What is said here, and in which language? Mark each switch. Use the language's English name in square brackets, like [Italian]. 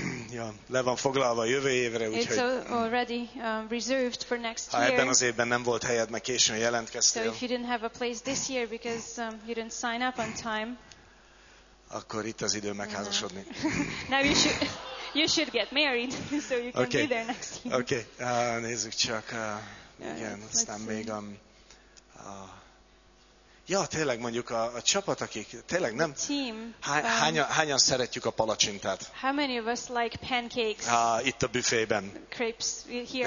[Hungarian] Ja, le van foglalva a jövő évre, úgyhogy [English] already, for next [Hungarian] ha ebben az évben nem volt helyed, meg későn jelentkeztél, [English] so if you didn't have a place this year because you didn't sign up on time, [Hungarian] akkor itt az idő megházasodni. [English] Now you should get married so you can be there next year. Okay. [Hungarian] Nézzük csak, igen, aztán még a ja, tényleg mondjuk a csapat, akik tényleg nem. Hányan szeretjük a palacsintát? [English] How many of us like pancakes? [Hungarian] Itt a büfében. [English] Crepes here.